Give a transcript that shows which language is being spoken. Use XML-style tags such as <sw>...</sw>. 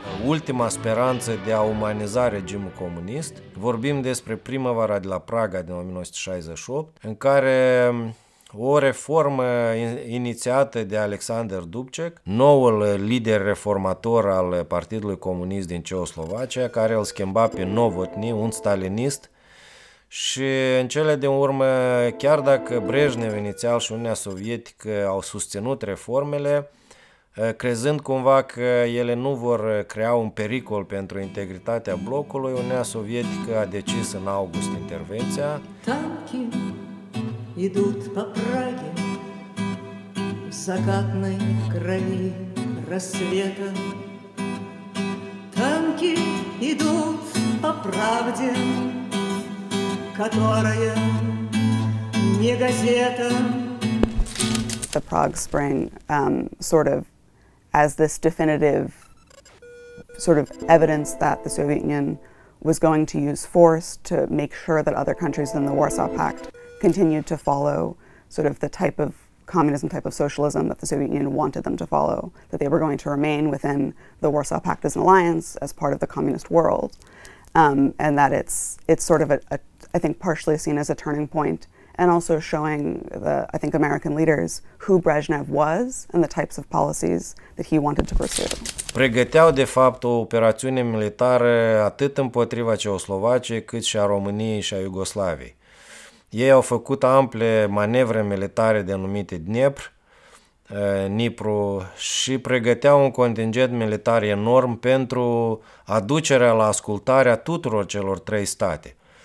<ro>Ultima speranță de a umaniza regimul comunist, vorbim despre primăvara de la Praga din 1968, în care o reformă inițiată de Alexander Dubček, noul lider reformator al Partidului Comunist din Cehoslovacia, care îl schimba pe Novotný, un stalinist, și în cele din urmă, chiar dacă Brejnev inițial și Uniunea Sovietică au susținut reformele, crezând cumva că ele nu vor crea un pericol pentru integritatea blocului, Uniunea Sovietică a decis în august intervenția.</ro> <ru>Танки идут по Праге в закатной крови рассвета. Танки идут по правде, которая не газета.</ru> <en>The Prague Spring sort of as this definitive sort of evidence that the Soviet Union was going to use force to make sure that other countries in the Warsaw Pact continued to follow sort of the type of communism, type of socialism that the Soviet Union wanted them to follow, that they were going to remain within the Warsaw Pact as an alliance, as part of the communist world, and that it's sort of a, I think, partially seen as a turning point, and also showing the, I think, American leaders who Brezhnev was and the types of policies that he wanted to pursue.</en> <ro>Pregăteau, de fapt, o operațiune militară atât împotriva Cehoslovaciei, cât și a României și a Iugoslaviei. Ei au făcut ample manevre militare denumite Dniepr, Nipru, și pregăteau un contingent militar enorm pentru aducerea la ascultare a tuturor celor trei state.</ro>